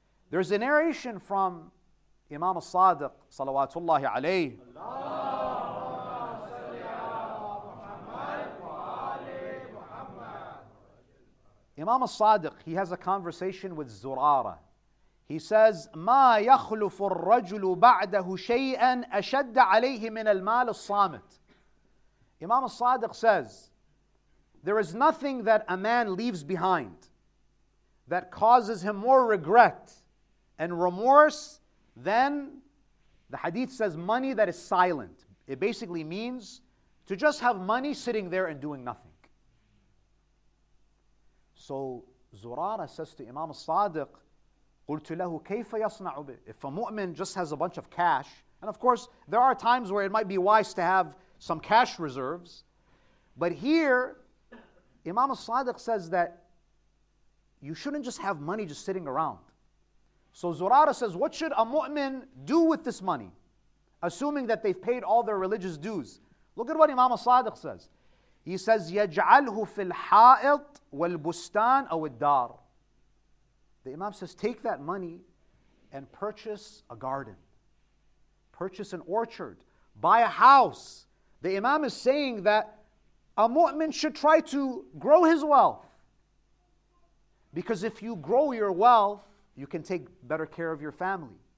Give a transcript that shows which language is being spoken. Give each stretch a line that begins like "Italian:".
English: There's a narration from Imam al-Sadiq, salawatullahi alayhi. Imam al-Sadiq, he has a conversation with Zurara. He says,
Arabic: مَا يَخْلُفُ الرَّجُلُ بَعْدَهُ شَيْئًا أَشَدَّ عَلَيْهِ مِنَ الْمَالِ الصَّامِتِ.
English: Imam al-Sadiq says, there is nothing that a man leaves behind that causes him more regret and remorse than, the hadith says, money that is silent. It basically means to just have money sitting there and doing nothing. So Zurara says to Imam al-Sadiq,
Arabic: قُلْتُ لَهُ كَيْفَ يَصْنَعُ بِهِ.
English: If a mu'min just has a bunch of cash, and of course there are times where it might be wise to have some cash reserves, but here Imam al-Sadiq says that you shouldn't just have money just sitting around. So Zurara says, what should a mu'min do with this money, assuming that they've paid all their religious dues? Look at what Imam al-Sadiq says. He says,
Arabic: يَجْعَلْهُ فِي الْحَائِطِ وَالْبُسْتَانِ أَوِ الدَّارِ.
English: The Imam says, take that money and purchase a garden. Purchase an orchard. Buy a house. The Imam is saying that a mu'min should try to grow his wealth. Because if you grow your wealth, you can take better care of your family.